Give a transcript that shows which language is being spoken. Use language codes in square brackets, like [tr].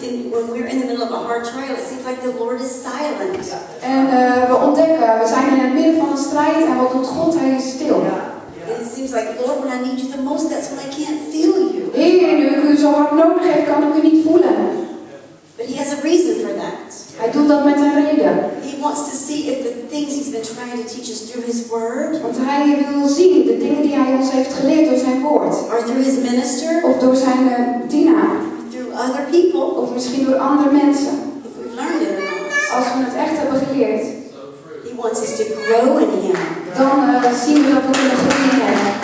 [en] When we're in the middle of a hard trial, it seems like the Lord is silent. [nl] En we ontdekken, we zijn in het midden van een strijd en wat doet God? Hij is stil. [en] It seems like, Lord, when I need you the most, that's when I can't feel you. [nl] Heer, nu ik u zo hard nodig heb, kan ik u niet voelen. [en] But he has a reason for that. [nl] Hij doet dat met een reden. [en] He wants to see if the things he's been trying to teach us through his word. [nl] Want hij wil zien de dingen die hij ons heeft geleerd door zijn woord. [en] Or through his minister. [nl] Of door zijn dienaar. [en] Other people, [nl] of misschien door andere mensen. [en] If we've learned it, [nl] als we het echt hebben geleerd. [en] He wants us to grow in him. [nl] Dan zien we dat we kunnen groeien.